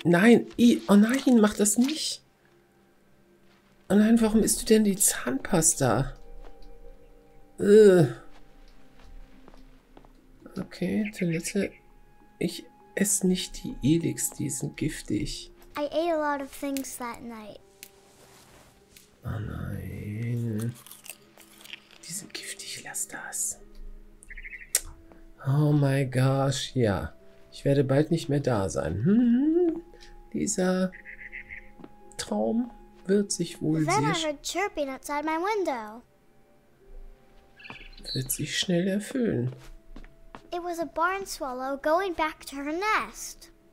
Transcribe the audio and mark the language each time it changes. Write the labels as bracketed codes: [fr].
[de] Nein, I, oh nein, mach das nicht. Oh nein, warum isst du denn die Zahnpasta? Okay, Toilette. Ich esse nicht die Elix, die sind giftig. [en] I ate a lot of things that night. [de] Oh nein. Die sind giftig, lass das. [en] Oh my gosh, [de] ja. Ich werde bald nicht mehr da sein. Dieser Traum wird sich wohl [en] Then [de] sehr [en] I heard chirping outside my window. [de] schnell erfüllen. [en] It was a barn swallow going back to her nest.